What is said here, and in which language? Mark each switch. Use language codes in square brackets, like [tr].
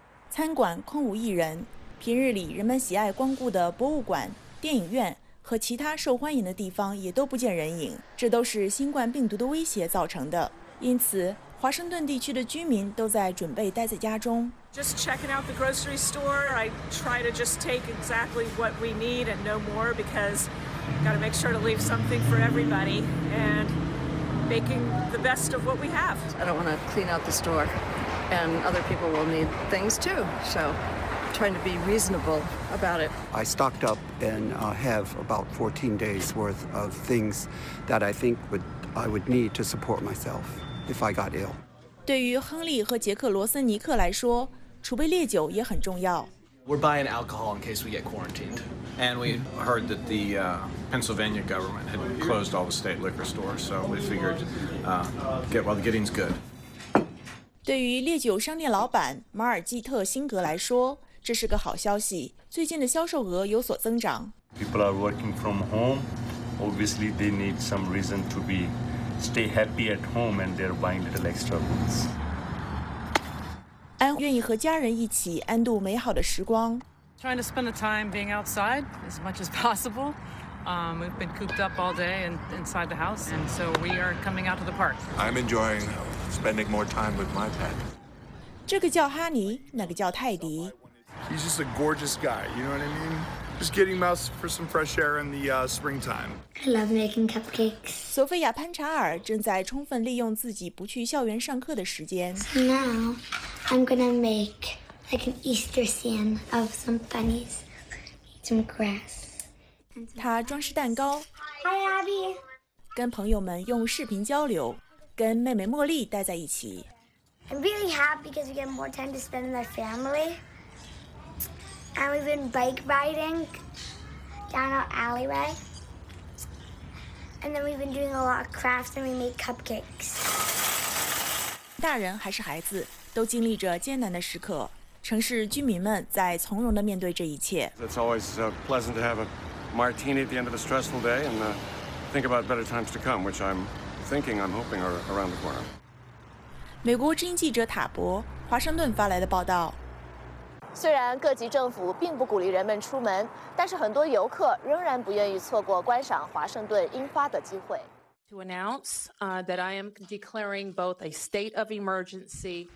[zh] 餐馆空无一人，平日里人们喜爱光顾的博物馆、电影院和其他受欢迎的地方也都不见人影，这都是新冠病毒的威胁造成的。因此，华盛顿地区的居民都在准备待在家中。 [en] Just checking out the grocery store. I try to just take exactly what we need and no more because got to make sure to leave something for everybody and making the best of what we have. I don't want to clean out the store and other people will need things too. So trying to be reasonable about it. I stocked up and have about 14 days worth of things that I think I would need to support myself if I got ill. [zh] 对于亨利和杰克罗森尼克来说，储备烈酒也很重要。 [en] We're buying alcohol in case we get quarantined, and we heard that the Pennsylvania government had closed all the state liquor stores, so we figured get while the getting's good. [zh] 对于烈酒商店老板马尔基特·辛格来说，这是个好消息，最近的销售额有所增长。 [en] People are working from home. Obviously, they need some reason to be stay happy at home, and they're buying little extra booze. [zh] 安愿意和家人一起安度美好的时光。 [en] Trying to spend the time being outside as much as possible. We've been cooped up all day and inside the house, and so we are coming out to the park. I'm enjoying spending more time with my pet. [zh] 这个叫哈尼，那个叫泰迪。 [en] He's just a gorgeous guy. You know what I mean? Just getting out for some fresh air in the springtime. I love making cupcakes. [zh] 索菲亚·潘查尔正在充分利用自己不去校园上课的时间。 [en] Now. I'm gonna make like an Easter scene of some bunnies, some grass. [zh] 他装饰蛋糕。 [en] Hi, Abby. [zh] 跟朋友们用视频交流，跟妹妹茉莉待在一起。 [en] I'm really happy because we get more time to spend with our family, and we've been bike riding down our alleyway, and then we've been doing a lot of crafts and we made cupcakes. [zh] 大人还是孩子？都经历着艰难的时刻，城市居民们在从容地面对这一切。 [en] It's always pleasant to have a martini at the end of a stressful day and think about better times to come, which I'm thinking, I'm hoping are around the corner. [zh] 美国之音记者塔博，华盛顿发来的报道。虽然各级政府并不鼓励人们出门，但是很多游客仍然不愿意错过观赏华盛顿樱花的机会。 [en] To announce that I am declaring both a state of emergency.